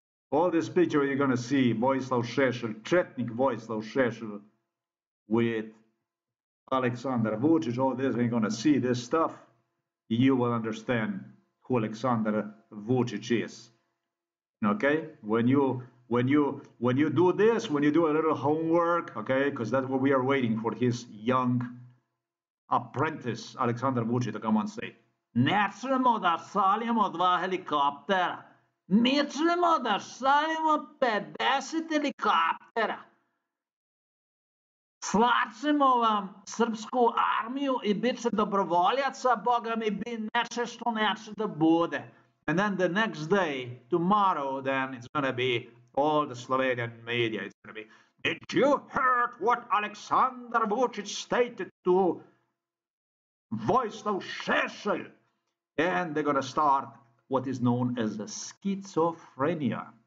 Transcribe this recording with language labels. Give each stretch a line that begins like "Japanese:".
English: All this picture you're gonna see, Vojislav Šešelj, Četnik Vojislav Šešelj with Aleksandar Vučić, all this, when you're gonna see this stuff, you will understand who Aleksandar Vučić is. Okay? When you do this, when you do a little homework, okay, because that's what we are waiting for, his young apprentice, Aleksandar Vučić, to come on stage.
Serbian: Nećemo da šaljemo dva helikoptera. Mi ćemo da šaljemo 50 helikoptera. Slaćemo vam srpsku armiju i bit će dobrovoljaca, Boga mi bi neće što neće da bude.
English: And then the next day, tomorrow, then it's going to be all the Slovenian media. It's going to be, did you heard what Aleksandar Vučić stated to Vojislav Šešelj? And they're going to start what is known as a schizophrenia.